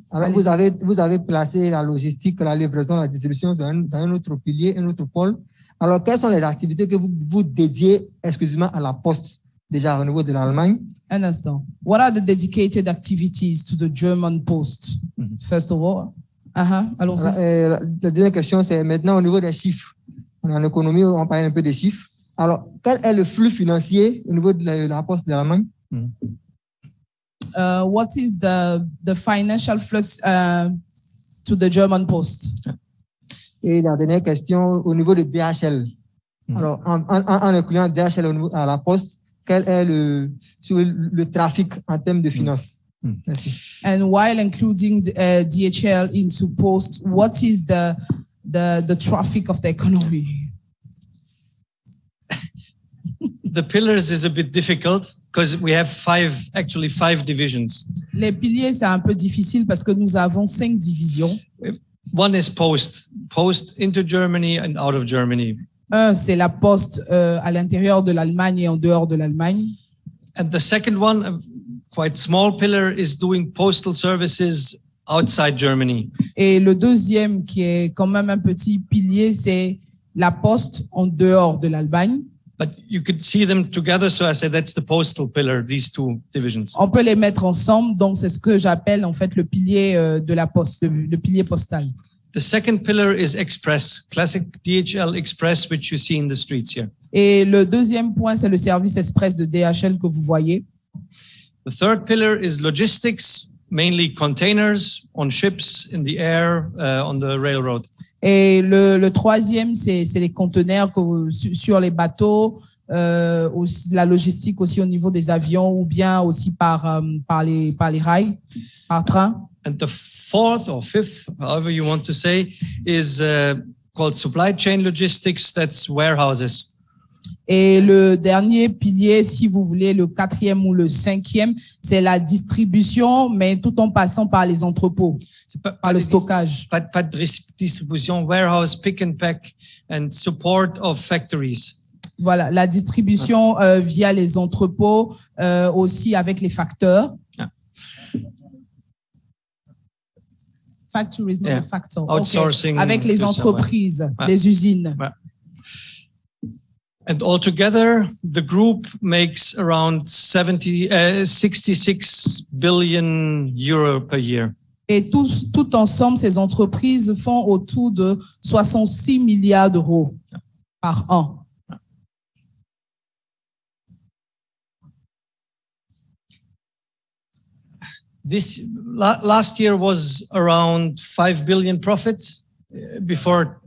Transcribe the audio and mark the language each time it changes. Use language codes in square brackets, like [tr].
[fr] Alors vous avez placé la logistique, la livraison, la distribution dans un autre pilier, un autre pôle. Alors quelles sont les activités que vous dédiez exclusivement à la Poste déjà au niveau de l'Allemagne? Un instant. [en] What are the dedicated activities to the German Post? Mm-hmm. First of all, [fr] allons-y. La deuxième question c'est maintenant au niveau des chiffres. On est en économie, on parle un peu des chiffres. Alors quel est le flux financier au niveau de la Poste de l'Allemagne? Mm-hmm. [en] What is the financial flux to the German Post? [fr] Et la dernière question au niveau de DHL. Mm-hmm. Alors en incluant DHL à la Poste, quel est le trafic en termes de finances? Mm-hmm. Merci. [en] And while including DHL into Post, what is the traffic of the economy? The pillars is a bit difficult because we have five divisions. [fr] Les piliers c'est un peu difficile parce que nous avons cinq divisions. [en] One is post into Germany and out of Germany. [fr] Un c'est la poste à l'intérieur de l'Allemagne et en dehors de l'Allemagne. [en] And the second one, a quite small pillar, is doing postal services outside Germany. [fr] Et le deuxième qui est quand même un petit pilier c'est la poste en dehors de l'Allemagne. [en] But you could see them together, so I said that's the postal pillar, these two divisions. [fr] On peut les mettre ensemble, donc c'est ce que j'appelle en fait le pilier de la poste, le pilier postal. [en] The second pillar is express, classic DHL express, which you see in the streets here. [fr] Et le deuxième point, c'est le service express de DHL que vous voyez. [en] The third pillar is logistics, mainly containers on ships in the air on the railroad. [fr] Et le troisième, c'est les conteneurs sur les bateaux, aussi, la logistique aussi au niveau des avions ou bien aussi par les rails, par train. [en] And the fourth or fifth, however you want to say, is called supply chain logistics, that's warehouses. [fr] Et le dernier pilier, si vous voulez, le quatrième ou le cinquième, c'est la distribution, mais tout en passant par les entrepôts, par le stockage. Pas de distribution, [en] warehouse, pick and pack, and support of factories. [fr] Voilà, la distribution via les entrepôts, aussi avec les facteurs. [en] Factories, not a factor. Outsourcing. [fr] Okay. Avec les entreprises, les usines. [en] And altogether, the group makes around 66 billion euro per year. [fr] Et tout ensemble, ces entreprises font autour de 66 milliards d'euros par an. [en] This last year was around 5 billion profit. Before